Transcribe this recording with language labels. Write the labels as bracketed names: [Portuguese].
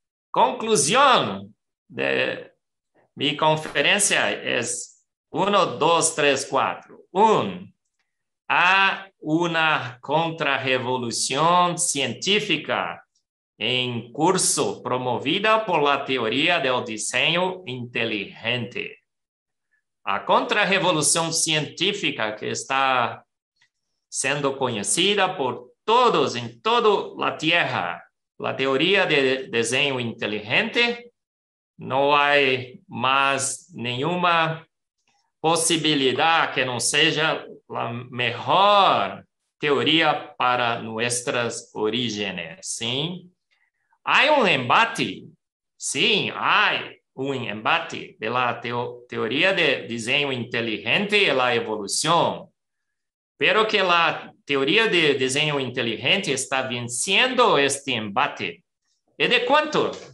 [Spanish] Conclusión de mi conferencia es 1, 2, 3, 4. 1. Hay una contrarrevolución científica en curso promovida por la teoría del diseño inteligente. [Portuguese] A contrarrevolução científica que está sendo conhecida por todos em toda a Terra, a teoria de desenho inteligente, não há mais nenhuma possibilidade que não seja a melhor teoria para nossas origens. Sim, há um embate. Sim, há. [Spanish] Un embate de la teoría de diseño inteligente y la evolución. Pero que la teoría de diseño inteligente está venciendo este embate. ¿Y de cuánto?